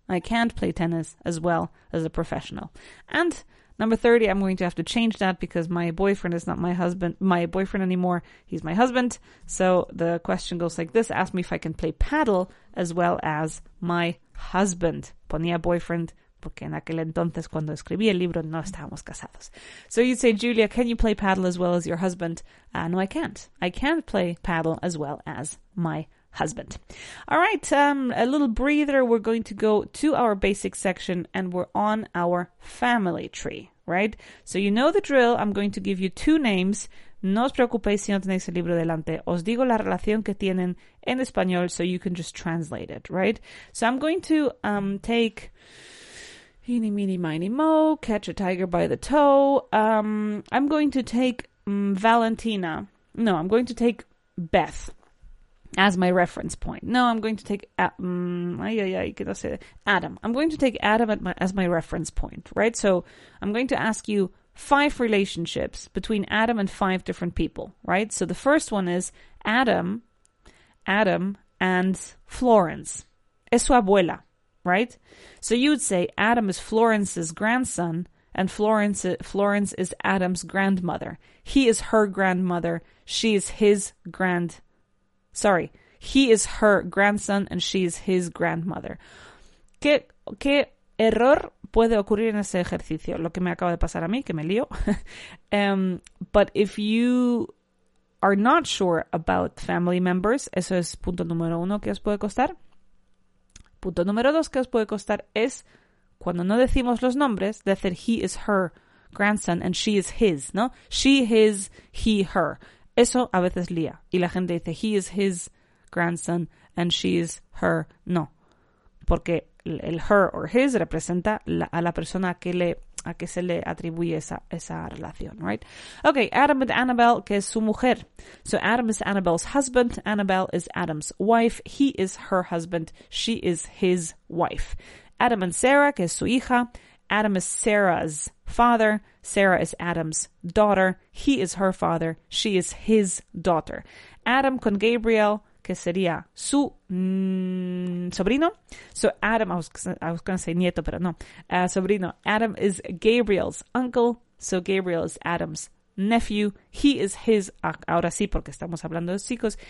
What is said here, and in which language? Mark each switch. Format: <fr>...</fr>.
<en>I can't play tennis as well as a professional. And number 30, I'm going to have to change that because my boyfriend is not my husband, my boyfriend anymore. He's my husband. So the question goes like this. Ask me if I can play paddle as well as my husband.</en> <es>Ponía boyfriend porque en aquel entonces cuando escribí el libro no estábamos casados.</es> <en>So you'd say, Julia, can you play paddle as well as your husband? No, I can't. I can't play paddle as well as my husband. All right, a little breather. We're going to go to our basic section and we're on our family tree, right? So you know the drill. I'm going to give you two names.</en> <es>No os preocupéis si no tenéis el libro delante. Os digo la relación que tienen en español</es> <en>so you can just translate it,</en> <es>right?</es> <en>So I'm going to take eeny, meeny, miny, moe, catch a tiger by the toe. I'm going to take Valentina. No, I'm going to take Beth as my reference point. No, I'm going to take Adam. I'm going to take Adam as my reference point, right? So I'm going to ask you five relationships between Adam and five different people, right? So the first one is Adam and Florence.</en> <es>Es su abuela,</es> <en>right? So you would say Adam is Florence's grandson and Florence is Adam's grandmother. He is her grandmother. She is his grandmother. Sorry, he is her grandson and she is his grandmother.</en> <es>¿Qué error puede ocurrir en ese ejercicio? Lo que me acaba de pasar a mí, que me lío.</es> <en>But if you are not sure about family members,</en> <es>eso es punto número uno que os puede costar. Punto número dos que os puede costar es cuando no decimos los nombres, decir</es> <en>he is her grandson and she is his,</en> <es>¿no? She, his, he, her. Eso a veces lía. Y la gente dice,</es> <en>he is his grandson and she is her.</en> <es>No. Porque el her or his representa a la persona a que se le atribuye esa relación, right?</es> <en>Okay, Adam and Annabelle,</en> <es>que es su mujer.</es> <en>So Adam is Annabelle's husband. Annabelle is Adam's wife. He is her husband. She is his wife. Adam and Sarah,</en> <es>que es su hija.</es> <en>Adam is Sarah's father. Sarah is Adam's daughter. He is her father. She is his daughter.</en> <es>Adam con Gabriel, que sería su sobrino.</es> <en>So Adam, I was going to say nieto,</en> <es>pero no. Sobrino.</es> <en>Adam is Gabriel's uncle. So Gabriel is Adam's nephew. He is his,</en> <es>ahora sí, porque estamos hablando de chicos.</es>